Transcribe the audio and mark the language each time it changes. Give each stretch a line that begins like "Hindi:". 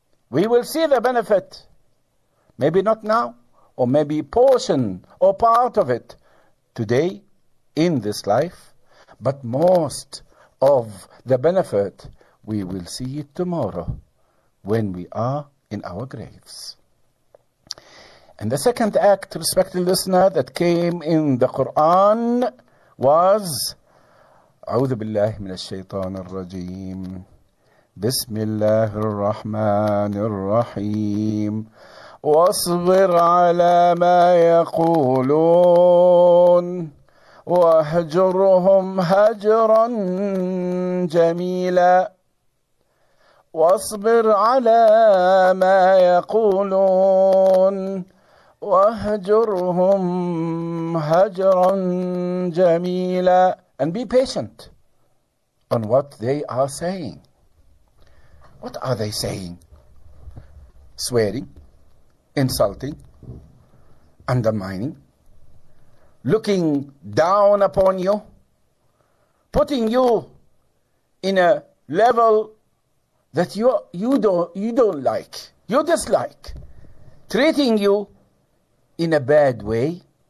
English: We will see the benefit, maybe not now, or maybe portion or part of it today in this life, but most of the benefit we will see it tomorrow when we are in our graves. And the second act, respected listener, that came in the Quran was
Arabic: أعوذ بالله من الشيطان الرجيم بسم الله الرحمن الرحيم واصبر على ما يقولون واهجرهم هجرا جميلا واصبر على ما يقولون واهجرهم هجرا جميلا.
English: And be patient on what they are saying. What are they saying? Swearing, insulting, undermining, looking down upon you, putting you in a level that you don't like, you dislike, treating you in a bad way.